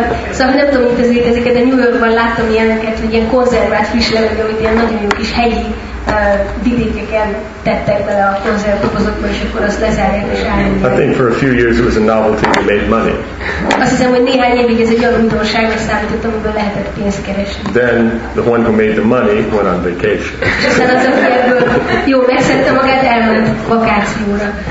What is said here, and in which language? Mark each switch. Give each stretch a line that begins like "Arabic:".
Hungarian: Szóval nem tudom, hogy tudjuk ezeket, de New Yorkban láttam ilyeneket, hogy ilyen konzervált friss levegő, amit ilyen nagyon jó kis helyi vidékeken tettek bele a konzervdobozokba, és akkor azt lezárják és állják.
English: I think for a few years it was a novelty that made money.
Hungarian: Azt hiszem, hogy néhány évig ez egy olyan újdonságra számított, amiből lehetett pénzt keresni.
English: Then the one who made the money went on vacation.
Hungarian: És aztán az, aki ebből jó megszedte magát, elment vakációra.